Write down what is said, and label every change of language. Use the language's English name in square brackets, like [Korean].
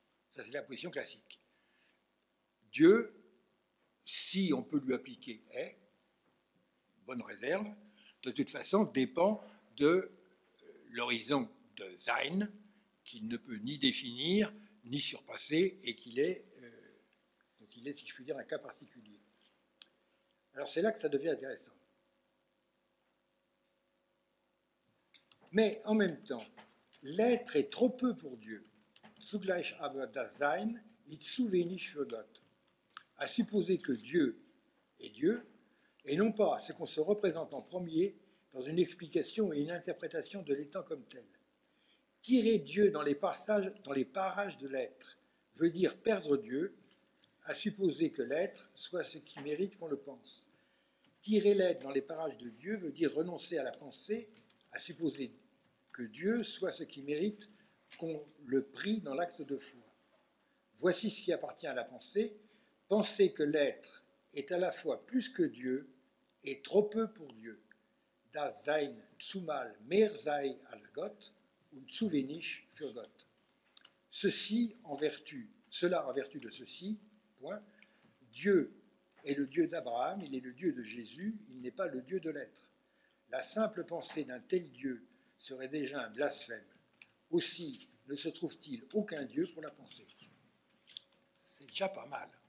[French] Ça, c'est la position classique. Dieu, si on peut lui appliquer, est, bonne réserve, de toute façon, dépend de l'horizon de Sein, qu'il ne peut ni définir, ni surpasser, et qu'il est, si je puis dire, un cas particulier. Alors c'est là que ça devient intéressant. Mais en même temps, L'être est trop peu pour Dieu. [German] Zugleich aber das Sein ist zu wenig für Gott. [French] À supposer que Dieu est Dieu, et non pas ce qu'on se représente en premier dans une explication et une interprétation de l'étant comme tel. Tirer Dieu dans les passages, dans les parages de l'être, veut dire perdre Dieu, à supposer que l'être soit ce qui mérite qu'on le pense. Tirer l'être dans les parages de Dieu veut dire renoncer à la pensée, à supposer que Dieu soit ce qui mérite qu'on le prie dans l'acte de foi. Voici ce qui appartient à la pensée, penser que l'être est à la fois plus que Dieu et trop peu pour Dieu. [German] Das sein zumal mehr sei als Gott und zu wenig für Gott. [French] Cela en vertu de ceci, point. Dieu est le Dieu d'Abraham, il est le Dieu de Jésus, il n'est pas le Dieu de l'être. La simple pensée d'un tel Dieu serait déjà un blasphème. Aussi ne se trouve-t-il aucun Dieu pour la pensée. C'est déjà pas mal.